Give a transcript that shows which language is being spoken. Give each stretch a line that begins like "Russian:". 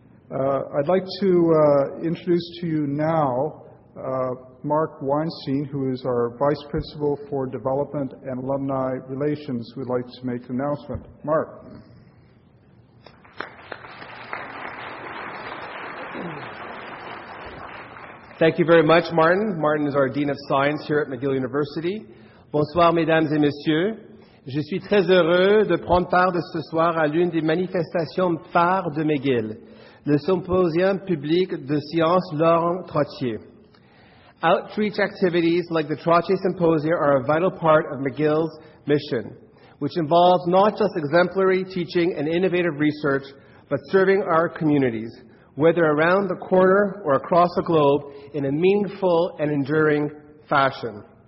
English: I'd like to introduce to you now Mark Weinstein, who is our Vice Principal for Development and Alumni Relations, who would like to make an announcement. Mark. Thank you very much, Martin. Martin is our Dean of Science here at McGill University.
French: Bonsoir, mesdames et messieurs. Je suis très heureux de prendre part de ce soir à l'une des manifestations phares de McGill, le Symposium public de science Lauren Trottier.
English: Outreach activities like the Trottier Symposia are a vital part of McGill's mission, which involves not just exemplary teaching and innovative research, but serving our communities, whether around the corner or across the globe, in a meaningful and enduring fashion.